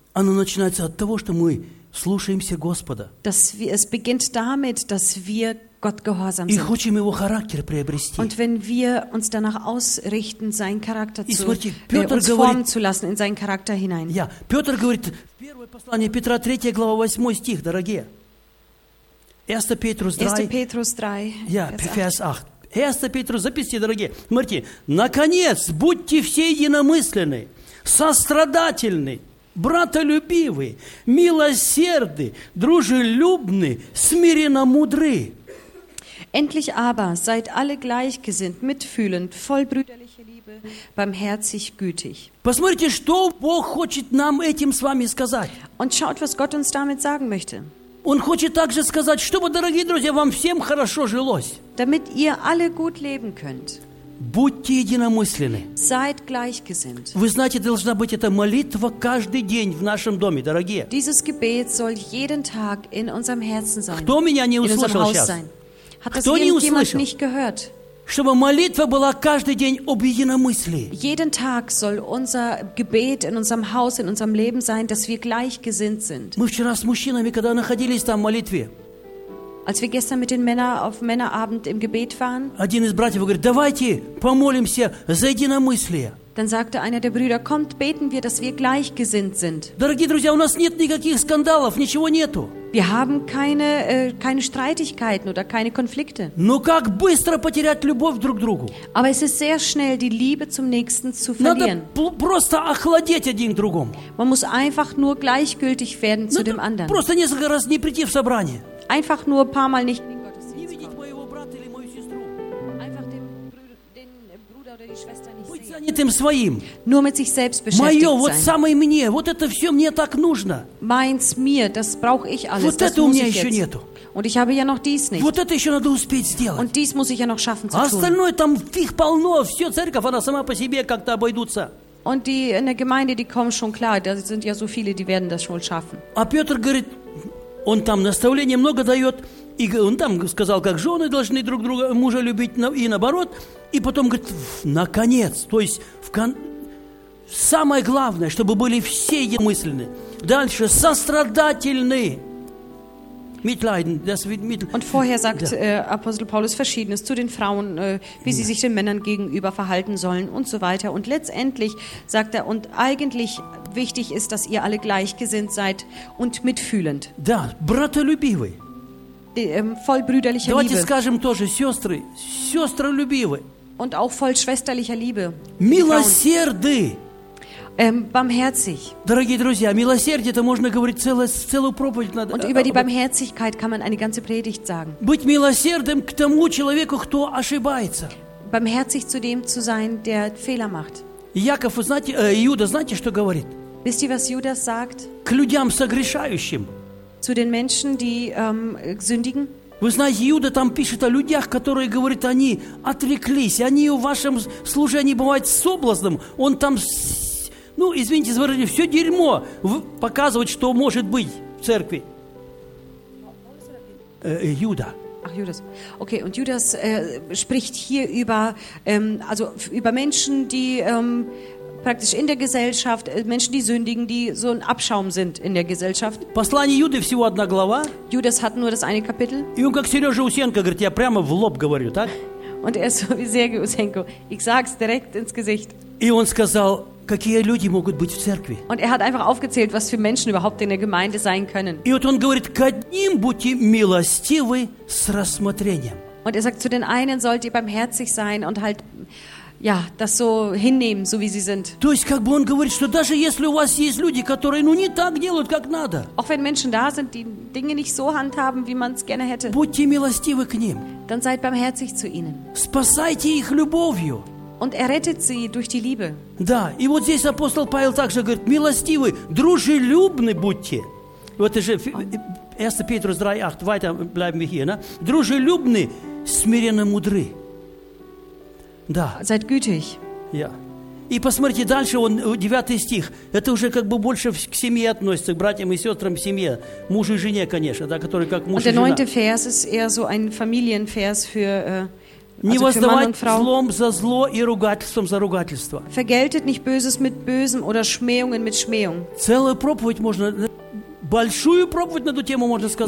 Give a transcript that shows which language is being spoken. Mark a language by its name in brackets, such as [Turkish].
[Russian] Оно начинается от того, что мы слушаемся Господа. [German] Dass wir, es beginnt damit, dass wir Gott gehorsam sind. [Russian] И хотим его характер приобрести. [German] Und wenn wir uns danach ausrichten, seinen Charakter [Russian] И [German] zu, [Russian] смотрите, Петр [German] uns [Russian] говорит, [German] formen zu lassen, in seinen Charakter hinein. [Russian] Ja, Петр говорит, первое послание Петра, 3 глава, 8 стих, дорогие. [German] 1 Петрус 3. 1 Петрус 3. Ja, Vers 8. 1 Петрус, [Russian] записи, дорогие. Смотрите, наконец, будьте все единомысленны, сострадательны, братолюбивы, милосерды, дружелюбны, смиренно мудры. [German] Endlich aber seid alle gleichgesinnt, mitfühlend, voll brüderliche Liebe, barmherzig, gütig. [Russian] Посмотрите, что Бог хочет нам этим с вами сказать. [German] Und schaut, was Gott uns damit sagen möchte. [Russian] Он хочет также сказать, чтобы, дорогие друзья, вам всем хорошо жилось. [German] Damit ihr alle gut leben könnt. [Russian] Будьте единомысленны. [German] Seid gleichgesinnt. [Russian] Вы знаете, должна быть эта молитва каждый день в нашем доме, дорогие. [German] Dieses Gebet soll jeden Tag in unserem Herzen sein. [Russian] Кто меня не услышал сейчас? [German] Hat das irgendjemand nicht gehört? [Russian] Чтобы молитва была каждый день об единомыслии. [German] Jeden Tag soll unser Gebet in unserem Haus, in unserem Leben sein, dass wir gleichgesinnt sind. [Russian] Мы вчера с мужчинами, когда находились там в молитве, [German] als wir gestern mit den Männern auf Männerabend im Gebet waren, [Russian] один из братьев говорит, давайте помолимся за единомыслие. [German] Dann sagte einer der Brüder, kommt, beten wir, dass wir gleichgesinnt sind. [Russian] Дорогие друзья, у нас нет никаких скандалов, ничего нету. [German] Wir haben keine Streitigkeiten oder keine Konflikte. [Russian] Но как быстро потерять любовь друг к другу? [German] Aber es ist sehr schnell, die Liebe zum Nächsten zu verlieren. [Russian] Надо просто охладеть один к другому. [German] Man muss einfach nur gleichgültig werden zu dem anderen. [Russian] Просто несколько раз не прийти в собрание. [German] Einfach nur ein paar Mal nicht in den Gottesdienst kommen. Einfach den Bruder oder die Schwester nicht [Russian] Быть [German] sehen. [Russian] Занятым своим. [German] Nur mit sich selbst beschäftigt [Russian] Мое, вот [German] sein. [Russian] Самое мне, вот это все мне так нужно. [German] Meins mir, das brauche ich alles. [Russian] Вот [German] das [Russian] это у меня еще нету. [German] Und ich habe ja noch dies nicht. [Russian] Вот это еще надо успеть сделать. [German] Und dies muss ich ja noch schaffen zu [Russian] Остальное Остальное там их полно, все церковь, она сама по себе как-то обойдутся. Und die in der Gemeinde, die kommen schon klar, da sind ja so viele, die werden das schon schaffen. А Петр говорит, он там наставление много дает, и он там сказал, как жены должны друг друга, мужа любить, и наоборот. И потом говорит, наконец, то есть в самое главное, чтобы были все единомысленны. Дальше, сострадательны. [German] Und vorher sagt Apostel Paulus Verschiedenes zu den Frauen, wie sie sich den Männern gegenüber verhalten sollen und so weiter. Und letztendlich sagt er, und eigentlich wichtig ist, dass ihr alle gleichgesinnt seid und mitfühlend. [Russian] Да, братолюбивы. [German] Voll brüderlicher [Russian] Давайте [German] Liebe. [Russian] Скажем тоже, сестры, сестролюбивы. [German] Und auch voll schwesterlicher Liebe. [Russian] Милосерды. [German] Barmherzig. [Russian] Дорогие друзья, милосердие, это можно говорить целую проповедь надо. [German] Und über die Barmherzigkeit kann man eine ganze Predigt sagen. [Russian] Быть милосердным к тому человеку, кто ошибается. [German] Barmherzig zu dem zu sein, der Fehler macht. [Russian] Яков, знаете, Иуда, знаете, что говорит? [German] Wisst ihr, was Judas sagt? [Russian] К людям согрешающим. [German] Zu den Menschen, die sündigen. [Russian] Вы знаете, Иуда там пишет о людях, которые, говорит, они отреклись, они в вашем служении бывают соблазном, он там Ну, извините за выражение, все дерьмо показывает, что может быть в церкви. Иуда. Ах, Иудас. Окей, и [German] Иудас spricht hier über, also über Menschen, die praktisch in der Gesellschaft, Menschen, die sündigen, die so ein Abschaum sind in der Gesellschaft. [Russian] Послание Иуды всего одна глава. [German] Иудас hat nur das eine Kapitel. [Russian] И он как Сережа Усенко говорит, я прямо в лоб говорю, так? [German] Und er ist so wie Sergio Usenko. Ich sag's direkt ins Gesicht. [Russian] И он сказал... Какие люди могут быть в церкви? [German] Und hat einfach aufgezählt, was für Menschen überhaupt in der Gemeinde sein können. [Russian] И вот он говорит, к одним будьте милостивы с рассмотрением. [German] Und sagt, zu den einen sollt ihr barmherzig sein und halt, ja, das so hinnehmen, so wie sie sind. [Russian] То есть, как бы он говорит, что даже если у вас есть люди, которые, ну, не так делают, как надо. [German] Auch wenn Menschen da sind, die Dinge nicht so handhaben, wie man es gerne hätte. [Russian] Будьте милостивы к ним. [German] Dann seid barmherzig zu ihnen. [Russian] Спасайте их любовью. [German] Und rettet sie durch die Liebe. [Russian] Да, и вот здесь апостол Павел также говорит, милостивы, дружелюбны будьте. Вот это же 1 Петрус 3, 8, давайте [German] bleiben wir hier, ne? [Russian] Дружелюбны, смиренно мудры. Да. [German] Seid gütig. Ja. [Russian] И посмотрите дальше, он 9 стих, это уже как бы больше к семье относится, к братьям и сестрам в семье, мужу и жене, конечно, да, которые как муж [German] und Und der 9. Vers ist eher so ein Familienvers für... [Russian] Не воздавать злом за зло и ругательством за ругательство. [German] Vergeltet nicht Böses mit Bösem oder Schmähungen mit Schmähung. [Russian] Целую проповедь можно, большую проповедь на эту тему можно сказать.